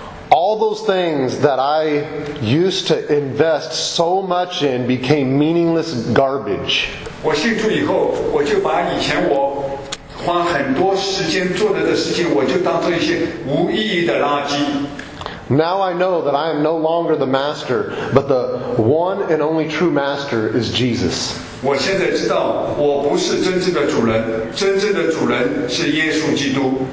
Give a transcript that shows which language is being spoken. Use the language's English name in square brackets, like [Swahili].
[English] All those things that I used to invest so much in became meaningless garbage. [Chinese] 我信主以后, 我就把以前我花很多时间做的事情, 我就当作一些无意义的垃圾。 [English] Now I know that I am no longer the master, but the one and only true master is Jesus. [Chinese] 我现在知道我不是真正的主人，真正的主人是耶稣基督。